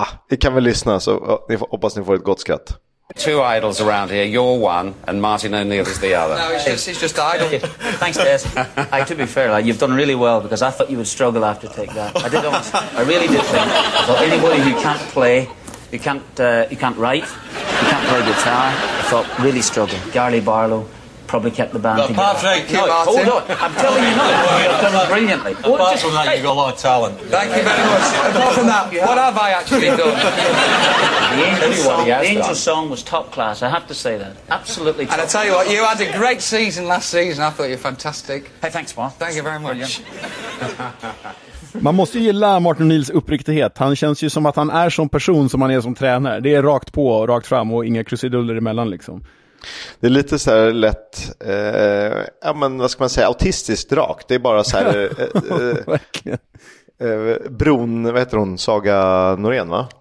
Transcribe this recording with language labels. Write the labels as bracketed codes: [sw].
[sv] Vi kan väl lyssna, så hoppas ni får ett gott skratt. [en] Two idols around here, you're one, and Martin O'Neill is the other. No, he's just idol. Thanks, Des. Hey, to be fair, like, you've done really well, because I thought you would struggle after Take That. I did almost, I really did think, for anybody who can't play, you can't write, you can't play guitar, I thought, really struggle. Garley Barlow. Probably kept the band. Apart from that, you keep Martin. Hold on, I'm telling you not. You've done brilliantly. Apart from that, you've got a lot of talent. Thank you very much. Apart from that, what have I actually done? The Angel song was top class, I have to say that. Absolutely top. And I tell you what, you had a great season last season. I thought you were fantastic. Hey, thanks, Mark. Thank you very much. [sv] Man måste ju gilla Martin Nils uppriktighet. Han känns ju som att han är som person som han är som tränare. Det är rakt på och rakt fram och inga krusiduller emellan liksom. Det är lite så här lätt, vad ska man säga, autistiskt drak. Det är bara så här, Bron, vad heter hon, Saga Norén, va?